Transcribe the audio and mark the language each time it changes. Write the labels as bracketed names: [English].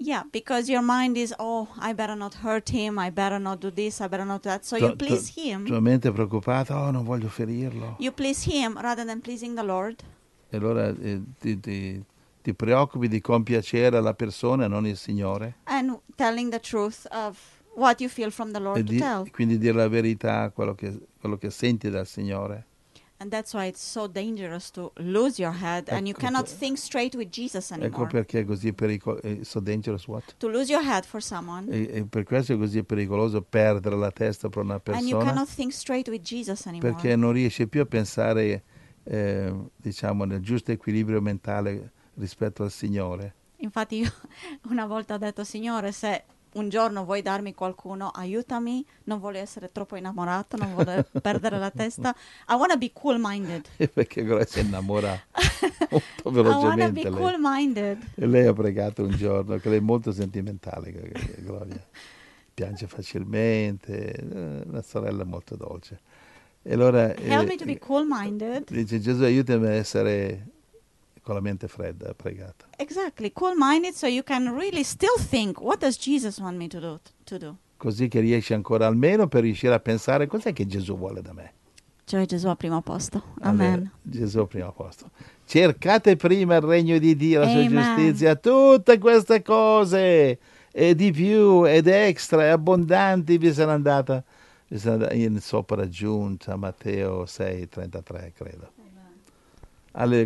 [English] Yeah, because your mind is, oh, I better not hurt him, I better not do this, I better not do that. So you please him. [Italian] Tua mente è preoccupata, oh, non voglio ferirlo. [English] You please him rather than pleasing the Lord. [Italian] E allora ti preoccupi di compiacere la persona, non il Signore. [English] And telling the truth of what you feel from the Lord to tell. [Italian] Quindi dire la verità, quello che senti dal Signore. [English] And that's why it's so dangerous to lose your head, [Italian] ecco, [English] and you cannot think straight with Jesus anymore. [Italian] Ecco perché è così [English] so dangerous what? To lose your head for someone. [Italian] E per questo è così pericoloso perdere la testa per una persona. [English] And you cannot think straight with Jesus anymore. [Italian] Perché non riesci più a pensare, diciamo, nel giusto equilibrio mentale rispetto al Signore. Infatti io una volta ho detto, Signore, se un giorno vuoi darmi qualcuno, aiutami, non voglio essere troppo innamorato, non voglio perdere la testa. [English] I want to be cool-minded. [Italian] Perché ora si innamora molto velocemente. [English] I want to be cool-minded. [Italian] E lei ha pregato un giorno, che lei è molto sentimentale, Gloria. Piange facilmente, una sorella molto dolce. E allora, [English] help me to be cool-minded. [Italian] Dice, Gesù, aiutami a essere con la mente fredda, pregata. [English] Exactly, cool-minded, so you can really still think, what does Jesus want me to do? [Italian] Così che riesci ancora almeno per riuscire a pensare, cos'è che Gesù vuole da me? Cioè Gesù al primo posto, amen. Gesù al primo posto. Cercate prima il regno di Dio, la sua amen. Giustizia, tutte queste cose, e di più, ed extra, e abbondanti, vi sarà andata in sopraggiunta, Matteo 6:33, credo.